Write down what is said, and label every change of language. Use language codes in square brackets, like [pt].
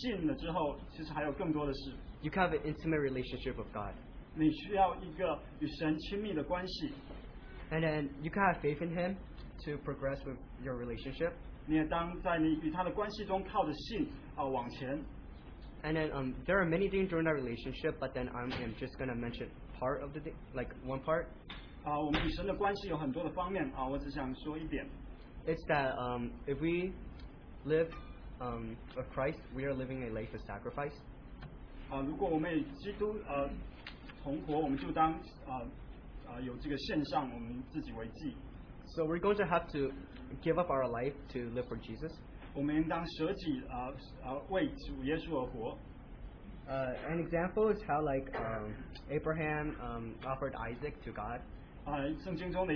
[zh] 我要分享第二点就是，你信了之后，其实还有更多的事。 [en] You can have an intimate relationship with God. [zh] 你需要一个与神亲密的关系。 [en] And then you can have faith in Him to progress with your relationship. [zh] 你也当在你与他的关系中靠着信往前。 [en] And then there are many things during that relationship, but then I'm just going to mention part of the thing, like one part. [zh] 我们与神的关系有很多的方面, 我只想说一点。 [en] It's that if we live with Christ, we are living a life of sacrifice. [zh] 如果我们与基督 同活我们就当, 有这个献上, 我们自己为祭。 [en] So we're going to have to give up our life to live for Jesus. [zh] 我们应当舍己, [en] An example is how like Abraham offered Isaac to God.